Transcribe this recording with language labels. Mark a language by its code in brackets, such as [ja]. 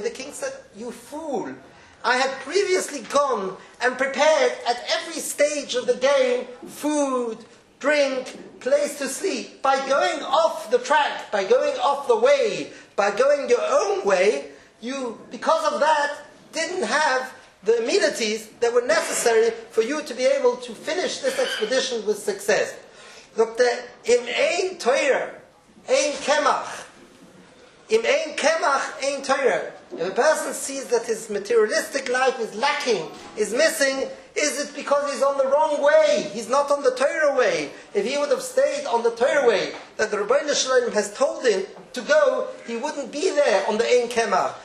[en] The king said, you fool. I had previously gone and prepared at every stage of the game, food, drink, place to sleep. By going off the track, by going off the way, by going your own way, you, because of that, didn't have the amenities that were necessary for you to be able to finish this expedition with success. [he] Look, im ein teuer, ein kemach. Im ein kemach, ein teuer. [en] If a person sees that his materialistic life is lacking, is missing, is it because he's on the wrong way? He's not on the Torah way. If he would have stayed on the Torah way that the Rabbeinu Shalom has told him to go, he wouldn't be there on the Ein Kemach.